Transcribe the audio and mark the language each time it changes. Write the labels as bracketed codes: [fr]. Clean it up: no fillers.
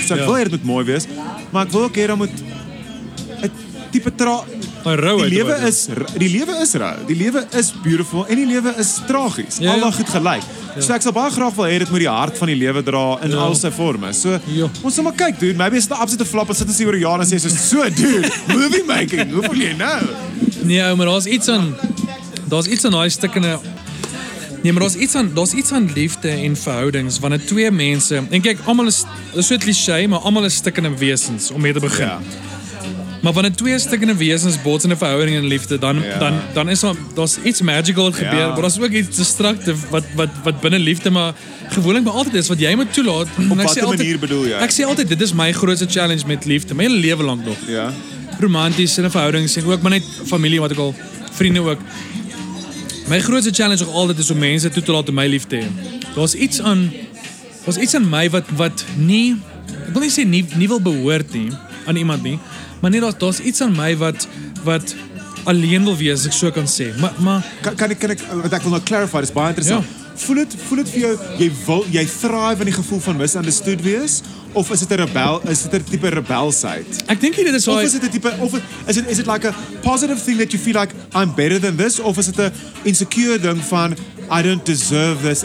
[af] So ek wil hier, dat moet mooi wees, maar ek wil ook hier, dat moet een type die lewe is rou. Die lewe is beautiful en die lewe is tragies. Ja, al goed gelijk. Ja. So ek sal baie graag wel hê dit moet die hart van die lewe dra in al sy vorme. So ons sal maar kyk, dude. Maybe is dit 'n absolute flop en sit ons hier oor jare en sê so, dude, movie making. Hoe voel jy nou? Nee, ou, maar daar's iets aan daai stukkende. Nee, maar daar's iets aan liefde en verhoudings wanneer twee mense en kyk, almal is so 'n klisjé, maar almal is stukkende wesens om mee te begin. Ja. Maar wanneer twee stikkende wesens bots in 'n verhouding en liefde, dan is daar iets magical wat gebeur, maar daar's ook iets destructive wat binne liefde maar gewoonlik maar altyd is wat jy moet toelaat. Op watter manier bedoel jy? Ek sê altyd dit is my grootste challenge met liefde, my lewe lank nog. Ja. Romanties en 'n verhouding sê ook maar net familie wat ek al vriende ook. My grootste challenge nog altyd is om mense toe te laat om my liefde te hê. Daar's iets aan my wat nie, ek wil nie sê nie wil behoort nie aan iemand nie. Maar nee, daar's iets aan my wat alleen wil wees, ek so kan sê. Maar kan ek, wat ek wil nou clarify, dis baie interessant. Ja. Voel het vir jou, jy thrive in die gevoel van misunderstood wees? Of is dit 'n rebel, is dit 'n type rebelsheid? Ek dink dit is hoe... [en] Is it like a positive thing that you feel like I'm better than this? [af] Of is dit 'n insecure ding van [en] I don't deserve this?